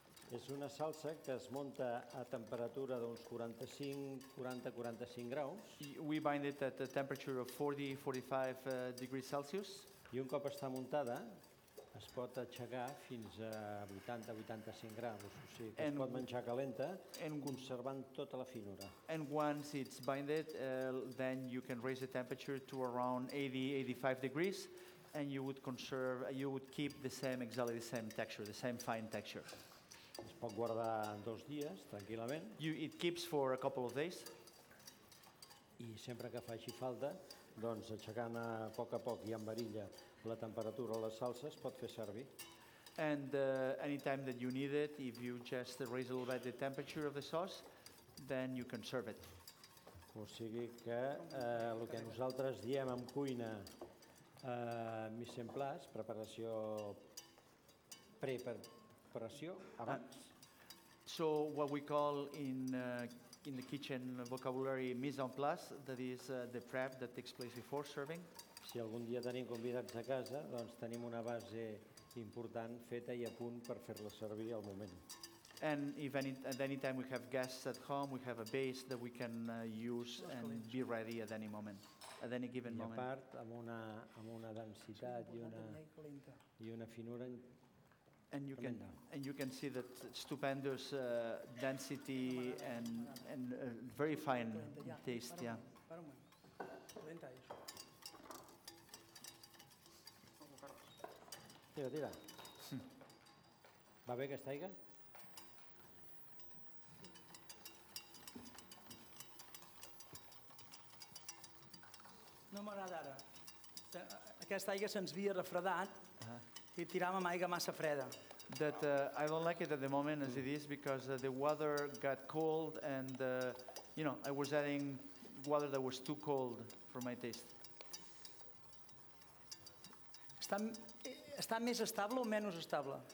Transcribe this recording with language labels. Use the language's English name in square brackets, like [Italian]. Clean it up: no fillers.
[Catalan] És una salsa que es munta a temperatura d'uns 40-45 graus. [English] We bind it at a temperature of 40-45 degrees Celsius. [Catalan] I un cop està muntada, es pot aixecar fins a 80-85 graus, o sigui, es pot menjar calenta, conservant tota la finura. [English] And once it's binded, then you can raise the temperature to around 80-85 degrees, and you would keep the same, exactly the same texture, the same fine texture. [Catalan] Es pot guardar dos dies tranquil·lament. [English] It keeps for a couple of days. [Catalan] I sempre que faci falta, doncs aixecant a poc i amb varilla la temperatura de la salsa es pot fer servir. [English] And anytime that you need it, if you just raise a little bit the temperature of the sauce, then you can serve it. [Catalan] O sigui que el que nosaltres diem en cuina mise en place, preparació preparació abans. [English] So what we call in the kitchen vocabulary mise en place, that is the prep that takes place before serving. [Catalan] Si algun dia tenim convidats a casa, doncs tenim una base important feta i a punt per fer-la servir al moment. [English] And if any time we have guests at home, we have a base that we can use and be ready at any moment, at any given moment. [Catalan] I a part, amb una densitat i una finura. [English] And you can see that stupendous density and very fine taste, yeah. [Catalan] Tira. Va bé que estiga? No m'agrada ara. Aquesta aigua se'ns havia refredat i tiràvem aigua massa freda. [English] That I don't like it at the moment as it is because the water got cold and I was adding water that was too cold for my taste. [Catalan] Està més estable o menys estable?